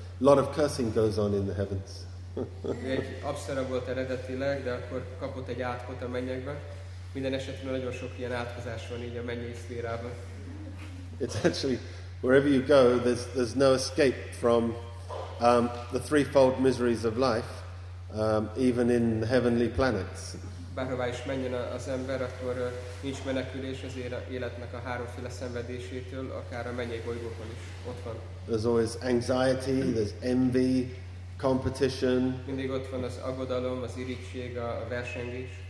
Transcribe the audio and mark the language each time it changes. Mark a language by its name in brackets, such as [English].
[English] A lot of cursing goes on in the heavens. [Hungarian] Egy apsara volt eredetileg, de akkor kapott egy átkot a mennyekben. Minden esetben nagyon sok ilyen átkozás van így a mennyei szférában. [English] It's actually, wherever you go, there's no escape from the threefold miseries of life, even in the heavenly planets. [Hungarian] Bárhová is menjen az ember, akkor nincs menekülés az életnek a háromféle szenvedésétől, akár a mennyei bolygókon is ott van. [English] There's always anxiety, there's envy, competition. [Hungarian] Mindig ott van az aggodalom, az irigység, a versengés.